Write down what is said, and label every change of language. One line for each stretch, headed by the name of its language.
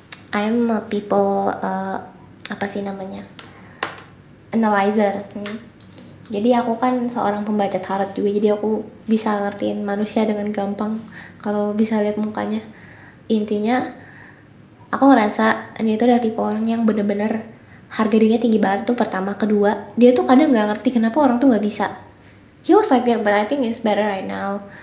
English: I'm a people,
Indonesian: apa sih namanya,
English: analyzer.
Indonesian: Jadi aku kan seorang pembaca tarot juga, jadi aku bisa ngertiin manusia dengan gampang kalau bisa lihat mukanya. Intinya aku ngerasa ini tuh adalah tipe orang yang bener-bener harga dirinya tinggi banget tuh. Pertama, kedua, dia tuh kadang gak ngerti kenapa orang tuh gak bisa.
English: He was like that, but I think it's better right now.